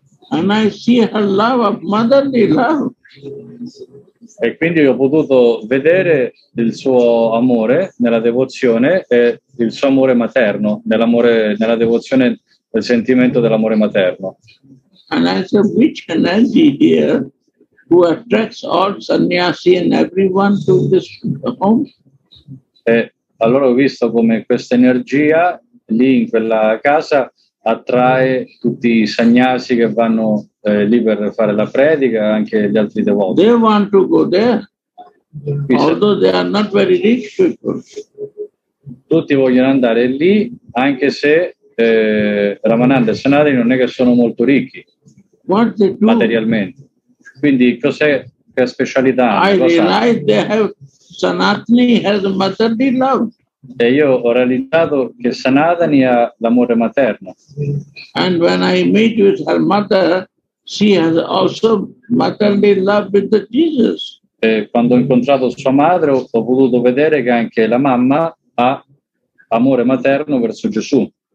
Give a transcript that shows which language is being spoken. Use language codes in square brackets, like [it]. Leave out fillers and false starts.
[en] And I see her love of motherly love. [it] E quindi ho potuto vedere il suo amore nella devozione e il suo amore materno, nell'amore, nella devozione, del sentimento dell'amore materno. [en] And I said, which energy here who attracts all sannyasi and everyone to this home? [it] E allora ho visto come questa energia lì in quella casa attrae tutti i sannyasi che vanno lì per fare la predica, anche gli altri devoti. [en] They want to go there, although they are not very rich people. [it] Tutti vogliono andare lì, anche se Ramananda e Sanatani non è che sono molto ricchi, [en] what they do? [it] Materialmente. Quindi cos'è, che specialità? [en] Sanatani has motherly love. [it] E io ho realizzato che Sanatani ha l'amore materno. [en] And when I meet with her mother, she has also motherly love with the Jesus. [it] E quando ho incontrato sua madre, ho potuto vedere che anche la mamma ha amore materno verso Gesù.